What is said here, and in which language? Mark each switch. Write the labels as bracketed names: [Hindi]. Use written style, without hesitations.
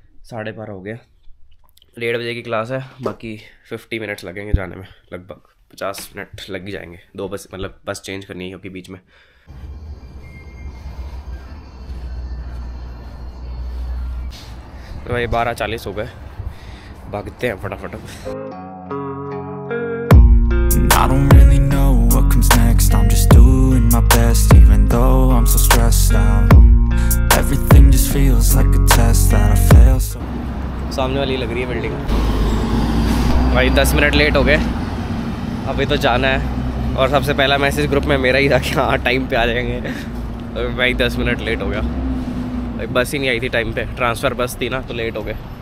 [Hindi] 12:30 हो गया, 1:30 बजे की क्लास है, बाकी 50 मिनट्स लगेंगे जाने में, लगभग 50 मिनट लग ही जाएंगे, दो बस मतलब बस चेंज करनी है क्योंकि बीच में। तो भाई 12:40 हो गए, भागते हैं फटाफट। [English] I don't really know what comes next. I'm just doing my best, even though I'm so stressed out. Everything just feels like a test that I fail. So. [Hindi] सामने वाली लग रही है बिल्डिंग। भाई 10 मिनट लेट हो गए, अभी तो जाना है। और सबसे पहला मैसेज ग्रुप में मेरा ही था कि हाँ टाइम पे आ जाएंगे। भाई 10 मिनट लेट हो गया, भाई बस ही नहीं आई थी टाइम पे, ट्रांसफ़र बस थी ना तो लेट हो गए।